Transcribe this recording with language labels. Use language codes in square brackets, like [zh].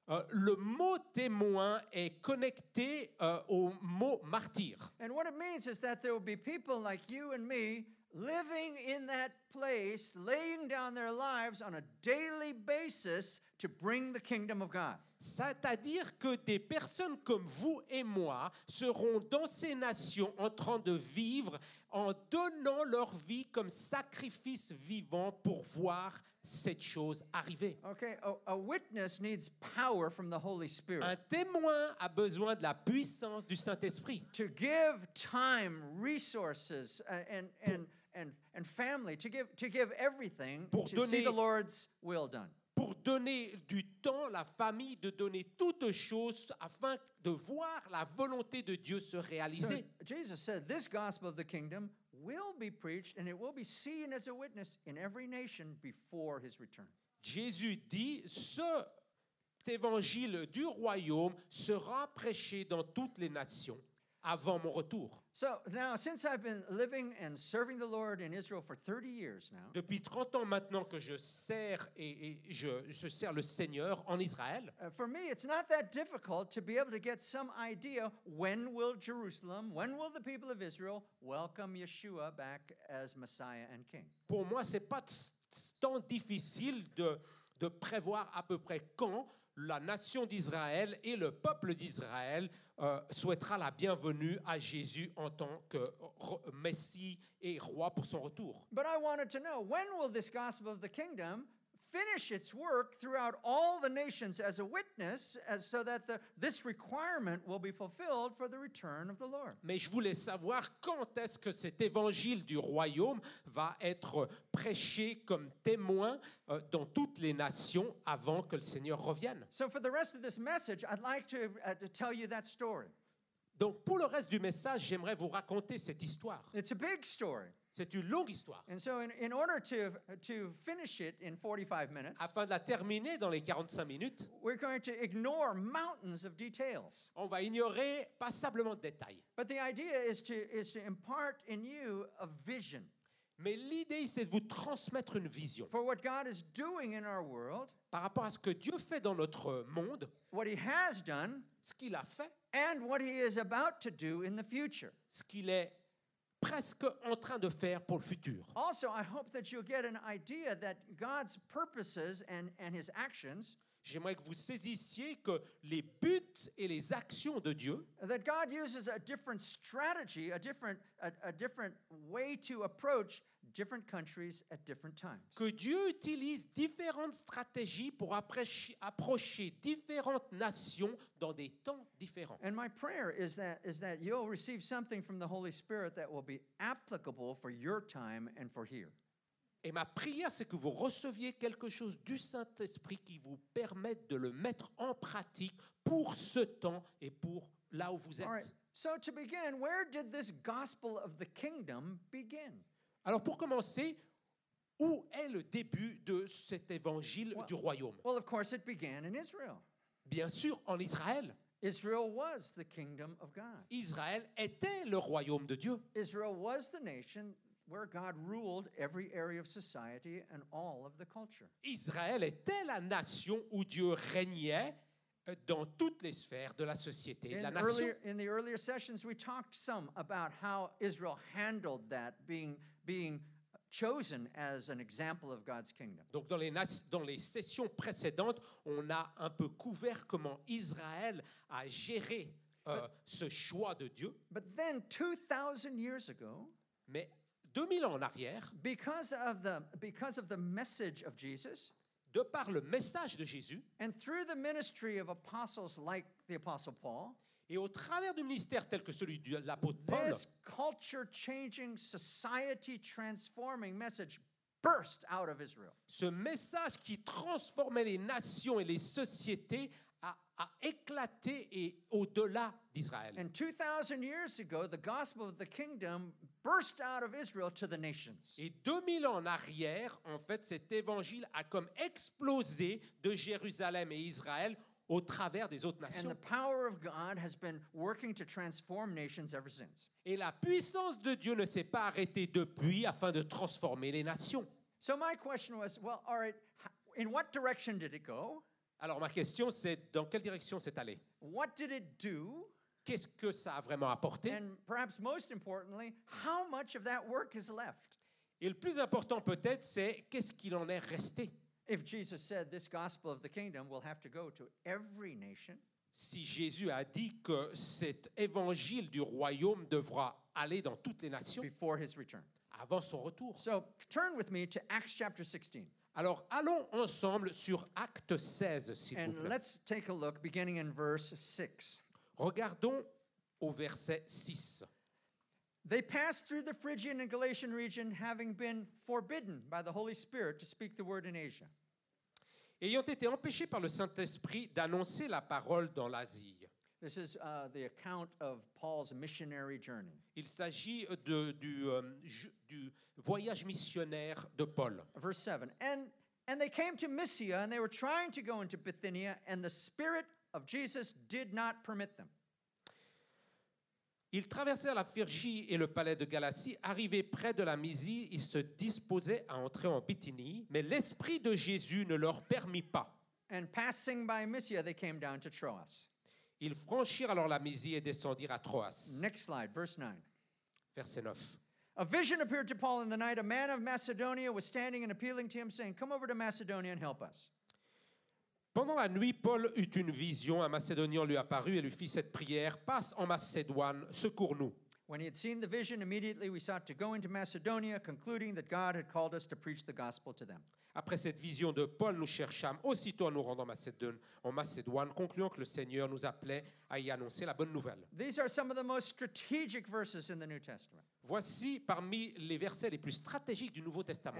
[fr] Le mot témoin est connecté au mot martyr. [en] And what it means is that there will be people like you and me living in that place, laying down their lives on a daily basis to bring the kingdom of God. [fr] C'est-à-dire que des personnes comme vous et moi seront dans ces nations en train de vivre en donnant leur vie comme sacrifice vivant pour voir cette chose arriver. [en] Okay, a witness needs power from the Holy Spirit. [fr] Un témoin a besoin de la puissance du Saint-Esprit. [en] To give time, resources and family, to give everything [fr] pour [en] to see the Lord's will done. [fr] Pour donner du temps, la famille, de donner toutes choses afin de voir la volonté de Dieu se réaliser. [en] So, Jesus said, this gospel of the kingdom will be preached and it will be seen as a witness in every nation before his return. [fr] Jésus dit, cet évangile du royaume sera prêché dans toutes les nations avant mon retour. [en] So now, since I've been living and serving the Lord in Israel for 30 years now, [fr] depuis 30 ans maintenant que je sers et je sers le Seigneur en Israël, [en] for me, it's not that difficult to be able to get some idea when will Jerusalem, when will the people of Israel welcome Yeshua back as Messiah and King. [fr] Pour moi, c'est pas tant difficile de prévoir à peu près quand la nation d'Israël et le peuple d'Israël souhaitera la bienvenue à Jésus en tant que Messie et roi pour son retour. [en] But I wanted to know, when will this gospel of the kingdom finish its work throughout all the nations as a witness, as so that this requirement will be fulfilled for the return of the Lord. [fr] Mais je voulais savoir quand est-ce que cet évangile du royaume va être prêché comme témoin dans toutes les nations avant que le Seigneur revienne. [en] So for the rest of this message, I'd like to tell you that story. [fr] Donc pour le reste du message, j'aimerais vous raconter cette histoire. [en] It's a big story. [fr] C'est une longue histoire. [en] And so in order to finish it in 45 minutes, [fr] afin de la terminer dans les 45 minutes, [en] we're going to ignore mountains of details. [fr] On va ignorer passablement de détails. [en] But the idea is to impart in you a vision. [fr] Mais l'idée, c'est de vous transmettre une vision. [en] For what God is doing in our world, [fr] par rapport à ce que Dieu fait dans notre monde, [en] what he has done, [fr] ce qu'il a fait, [en] and what he is about to do in the future. [fr] Ce qu'il est presque en train de faire pour le futur. [en] Also, I hope that you'll get an idea that God's purposes and his actions, [fr] J'aimerais que vous saisissiez que les buts et les actions de Dieu, [en] that God uses a different strategy, a different way to approach different countries at different times. [fr] Que Dieu utilise différentes stratégies pour approcher différentes nations dans des temps différents. [en] And my prayer is that you'll receive something from the Holy Spirit that will be applicable for your time and for here. [fr] Et ma prière, c'est que vous receviez quelque chose du Saint-Esprit qui vous permette de le mettre en pratique pour ce temps et pour là où vous êtes. [en] All right. So to begin, where did this gospel of the kingdom begin? [fr] Alors pour commencer, où est le début de cet évangile du royaume? [en] Well, of course, it began in Israel. [fr] Bien sûr, en Israël. [en] Israel was the kingdom of God. [fr] Israël était le royaume de Dieu. [en] Israel was the nation where God ruled every area of society and all of the culture. [fr] Israël était la nation où Dieu régnait dans toutes les sphères de la société et de la nation. [en] In the earlier sessions, we talked some about how Israel handled that being chosen as an example of God's kingdom. [fr] Donc dans les sessions précédentes, on a un peu couvert comment Israël a géré ce choix de Dieu. [en] But then 2000 years ago, [fr] mais 2000 ans en arrière, [en] because of the message of Jesus, [fr] de par le message de Jésus, [en] and through the ministry of apostles like the apostle Paul, [fr] et au travers du ministère tel que celui de l'apôtre Paul, [en] this culture changing, society transforming message burst out of Israel. [fr] Ce message qui transformait les nations et les sociétés a éclaté et au-delà d'Israël. [en] And 2000 years ago, the gospel of the kingdom burst out of Israel to the nations. [fr] Et 2000 ans en arrière, en fait, cet évangile a comme explosé de Jérusalem et Israël au travers des autres nations. [en] And the power of God has been working to transform nations ever since. [fr] Et la puissance de Dieu ne s'est pas arrêtée depuis afin de transformer les nations. [en] So my question was, well, all right, in what direction did it go? [fr] Alors ma question c'est dans quelle direction c'est allé? [en] What did it do? [fr] Qu'est-ce que ça a vraiment apporté? [en] And perhaps most importantly, how much of that work is left? [fr] Et le plus important peut-être, c'est qu'est-ce qu'il en est resté? [en] If Jesus said this gospel of the kingdom will have to go to every nation, [fr] si Jésus a dit que cet évangile du royaume devra aller dans toutes les nations, [en] before his return, [fr] avant son retour. [en] So turn with me to Acts chapter 16. [fr] Alors allons ensemble sur Acte 16, s'il and vous plaît. [en] Let's take a look, beginning in verse 6. [fr] Regardons au verset 6. [en] They passed through the Phrygian and Galatian region, having been forbidden by the Holy Spirit to speak the word in Asia. [fr] Ayant été empêchés par le Saint-Esprit d'annoncer la parole dans l'Asie. [en] This is the account of Paul's missionary journey. [fr] Il s'agit du voyage missionnaire de Paul. [en] Verse 7. And they came to Mysia, and they were trying to go into Bithynia, and the Spirit of Jesus did not permit them. [fr] Ils traversèrent la Phrygie et le palais de Galatie. Arrivés près de la Mysie, ils se disposaient à entrer en Bithynie, mais l'Esprit de Jésus ne leur permit pas. [en] And passing by Mysia, they came down to Troas. [fr] Ils franchirent alors la Mysie et descendirent à Troas. [en] Next slide, verse 9. [fr] Verset 9. [en] A vision appeared to Paul in the night. A man of Macedonia was standing and appealing to him, saying, come over to Macedonia and help us. [fr] Pendant la nuit, Paul eut une vision. Un Macédonien lui apparut et lui fit cette prière. Passe en Macédoine, secours-nous. [en] When he had seen the vision, immediately we sought to go into Macedonia, concluding that God had called us to preach the gospel to them. [fr] Après cette vision de Paul, nous cherchâmes aussitôt à nous rendre en Macédoine, concluant que le Seigneur nous appelait à y annoncer la bonne nouvelle. [en] These are some of the most strategic verses in the New Testament. [fr] Voici parmi les versets les plus stratégiques du Nouveau Testament.